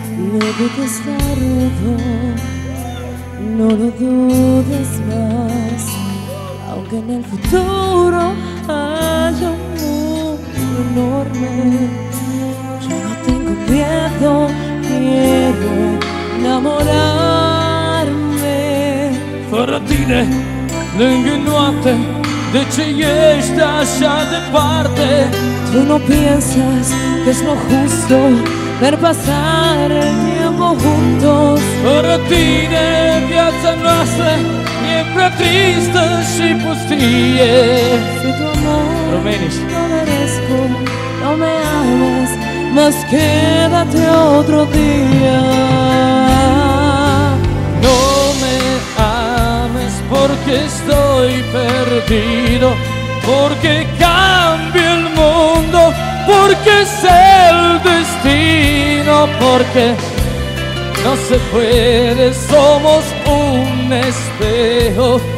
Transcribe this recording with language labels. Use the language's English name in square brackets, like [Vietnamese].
[Spanish] Luego que está roto, no lo dudes más. Aunque en el futuro haya un mundo enorme, yo no tengo miedo, quiero enamorarme. [Romanian] Fărătine, lângă noapte, de ce ești așa departe? [Spanish] Tu no piensas que es lo justo ver pasar el tiempo juntos. [Romanian] Fără tine viața noastră e prea tristă și pustie. [Spanish] Si tu amor no merezco, no me amas, más quédate otro día. No me ames porque estoy perdido, porque cambio el mundo, porque es el destino, porque no se puede, somos un espejo.